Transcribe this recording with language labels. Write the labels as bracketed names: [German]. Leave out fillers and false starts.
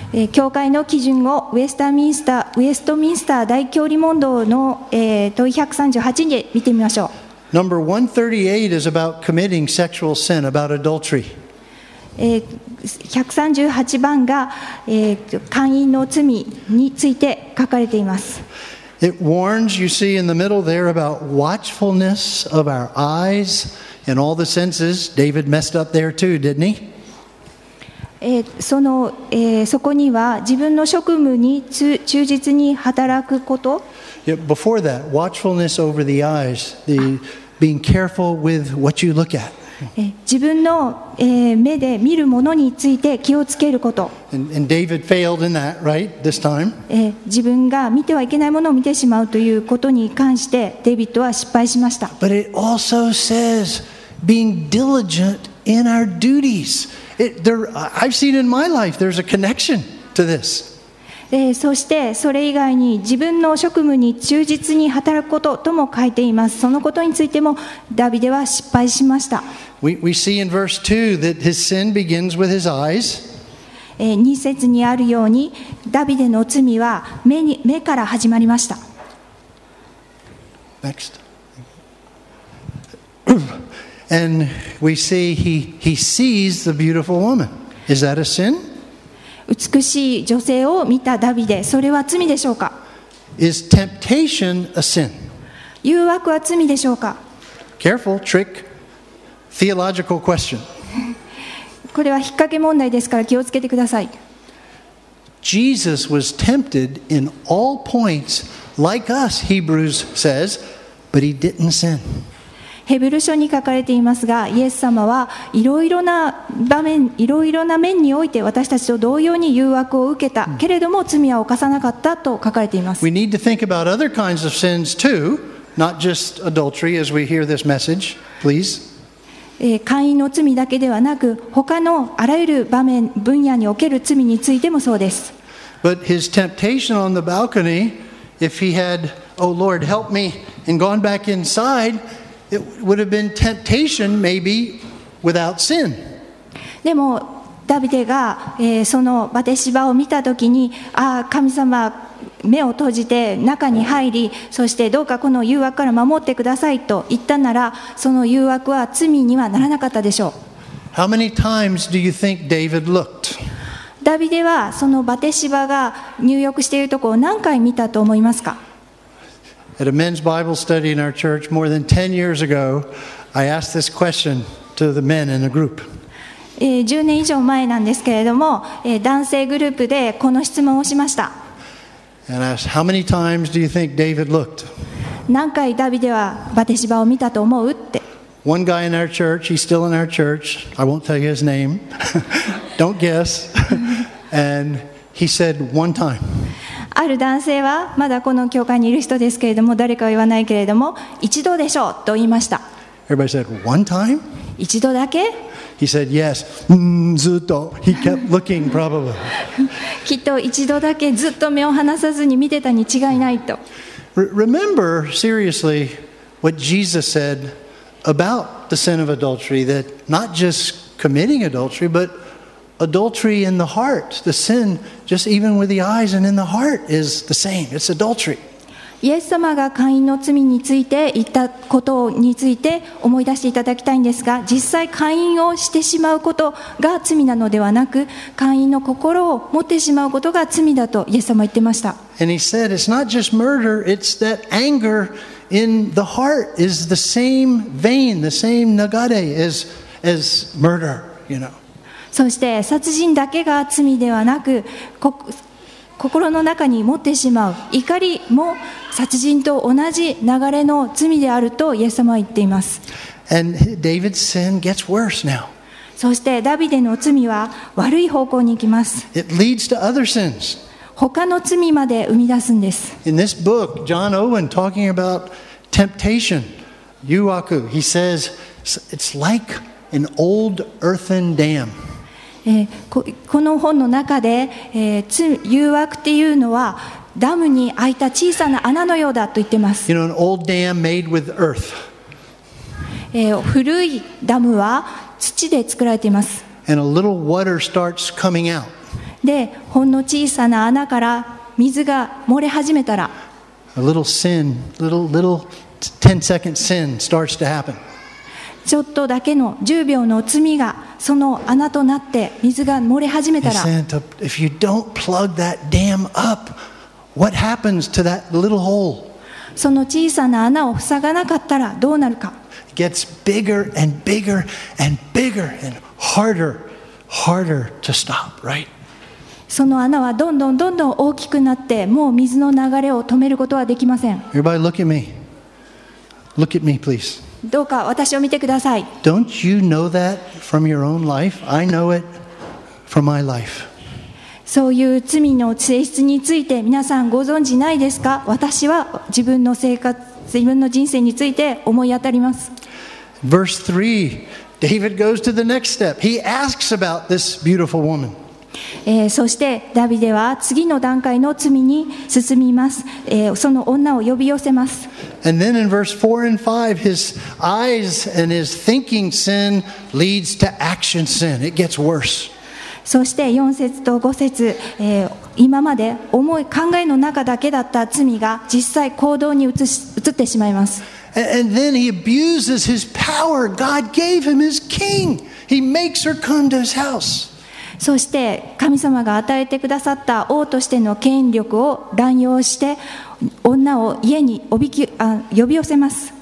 [Japanese] 教会の基準をウェストミンスター大教理問答の問138で見てみましょう。 [English] Number 138 is about committing sexual sin, about adultery. [Japanese] 138番が、姦淫の罪について書かれています。 [English] It warns, you see, in the middle there about watchfulness of our eyes and all the senses. David messed up there too, didn't he? [Japanese] そこには自分の職務に忠実に働くこと。 [English] Yeah, before that, watchfulness over the eyes, the being careful with what you look at. [Japanese] 自分の、目で見るものについて気をつけること。 [English] And David failed in that, right, this time. [Japanese] 自分が見てはいけないものを見てしまうということに関してデビッドは失敗しました。 [English] But it also says being diligent in our duties. I've seen in my life there's a connection to this. [Japanese] そしてそれ以外に自分の職務に忠実に働くこととも書いています。そのことについてもダビデは失敗しました。 [English] we see in verse 2 that his sin begins with his eyes. [Japanese] 2節にあるようにダビデの罪は目から始まりました。 [English] Next. And we see he sees the beautiful woman. Is that a sin? [Japanese] 美しい女性を見たダビデ、それは罪でしょうか。 [English] Is temptation a sin? [Japanese] 誘惑は罪でしょうか。 [English] Careful, trick, theological question. [Japanese] これは引っ掛け問題ですから気をつけてください。 [English] Jesus was tempted in all points like us, Hebrews says, but he didn't sin. [Japanese] ヘブル書に書かれていますが、イエス様はいろいろな場面、いろいろな面において私たちと同様に誘惑を受けたけれども罪は犯さなかったと書かれています。 [English] We need to think about other kinds of sins too, not just adultery as we hear this message, please. [Japanese] 姦淫の罪だけではなく、他のあらゆる場面、分野における罪についてもそうです。 [English] But his temptation on the balcony, if he had, oh Lord, help me, and gone back inside,It would have been temptation, maybe, without sin. [Japanese] でもダビデが、そのバテシバを見たときに、ああ神様、目を閉じて中に入り、そしてどうかこの誘惑から守ってくださいと言ったなら、その誘惑は罪にはならなかったでしょう。 [English] How many times do you think David looked? [Japanese] ダビデはそのバテシバが入浴しているところを何回見たと思いますか？ [English] At a men's Bible study in our church more than 10 years ago, I asked this question to the men in the group. [Japanese] 10年以上前なんですけれども、男性グループでこの質問をしました。 [English] And asked, how many times do you think David looked? [Japanese] 何回ダビデはバテシバを見たと思うって。 [English] One guy in our church, he's still in our church. I won't tell you his name. Don't guess. And he said one time. [Japanese] ある男性はまだこの教会にいる人ですけれども、誰かは言わないけれども、一度でしょうと言いました。 [English] Everybody said one time. [Japanese] 一度だけ。 [English] He said yes. [Japanese] ずっと。 [English] He kept looking probably. [Japanese] きっと一度だけずっと目を離さずに見てたに違いないと。 [English] Remember seriously what Jesus said. About the sin of adultery, that not just committing adultery, but adultery in the heart. The sin, just even with the eyes and in the heart, is the same. It's adultery. [Japanese] イエス様がカインの罪について言ったことについて思い出していただきたいんですが、実際カインをしてしまうことが罪なのではなく、カインの心を持ってしまうことが罪だとイエス様は言ってました。 [English] And he said, it's not just murder, it's that anger. In the heart is the same vein, the same nagare as murder, you know. [Japanese] そして殺人だけが罪ではなく、心の中に持ってしまう怒りも殺人と同じ流れの罪であるとイエス様は言っています。 [English] And David's sin gets worse now. [Japanese] そしてダビデの罪は悪い方向に行きます。 [English] It leads to other sins. [Japanese] 他の罪まで生み出すんです。 [English] In this book, John Owen talking about temptation, Yuaku, he says it's like an old earthen dam. [Japanese] この本の中で、誘惑っていうのはダムに開いた小さな穴のようだと言ってます。 [English] You know, an old dam made with earth. [Japanese] 古いダムは土で作られています。 [English] And a little water starts coming out. [Japanese] でほんの小さな穴から水が漏れ始めたら [English] A little sin, little 10 second sin starts to happen. [Japanese] ちょっとだけの10秒の罪がその穴となって水が漏れ始めたら [English] If you don't plug that dam up, what happens to that little hole? [Japanese] その小さな穴を塞がなかったらどうなるか [English] It gets bigger and bigger and bigger and harder to stop, right? [Japanese] その穴はどんどんどんどん大きくなって、もう水の流れを止めることはできません。 [English] Everybody, look at me. Look at me, please. [Japanese] どうか私を見てください。 [English] Don't you know that from your own life? I know it from my life. [Japanese] そういう罪の性質について皆さんご存じないですか？私は自分の生活、自分の人生について思い当たります。 [English] Verse 3, David goes to the next step. He asks about this beautiful woman. [Japanese] そしてダビデは次の段階の罪に進みます、その女を呼び寄せます [English] and then in verse 4 and 5 his eyes and his thinking sin leads to action sin it gets worse [Japanese] そして4節と5節、今まで思い考えの中だけだった罪が実際行動に移ってしまいます [English] and then he abuses his power God gave him his king he makes her come to his house [Japanese] そして神様が与えてくださった王としての権力を乱用して女を家に呼び寄せます。